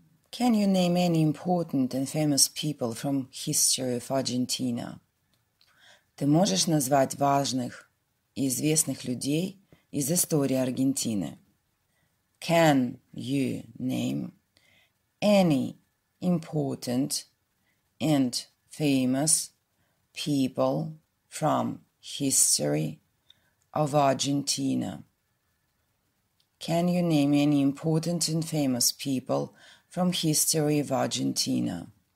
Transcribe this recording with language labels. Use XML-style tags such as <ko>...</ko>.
<en>Can you name any important and famous people from history of Argentina?</en> <ru>Ты можешь назвать важных и известных людей из истории Аргентины?</ru> <en>Can you name any important and famous people from history of Argentina? Can you name any important and famous people from history of Argentina?</en>